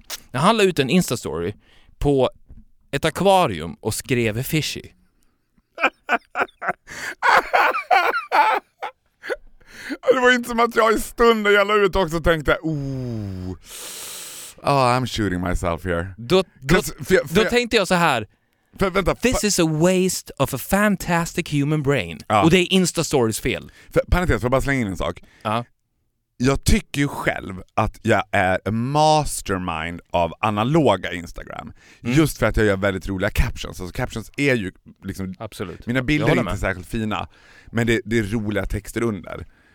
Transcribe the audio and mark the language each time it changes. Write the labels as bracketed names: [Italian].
[Swedish] När han la ut en Insta-story på... ett akvarium och skrev fishy. Det var inte som att jag i stunden jävla ut också tänkte, ooh, [English] oh, I'm shooting myself here. [Swedish] Då tänkte jag så här. Vänta, [English] this is a waste of a fantastic human brain. [Swedish] Ja. Och det är Instastories fel. Parentes, får bara slänga in en sak. Ja. Jag tycker ju själv att jag är [English] a mastermind [Swedish] av analoga Instagram. Mm. Just för att jag gör väldigt roliga captions. Alltså captions är ju liksom... Absolut. Mina bilder är inte särskilt fina. Men det är roliga texter under.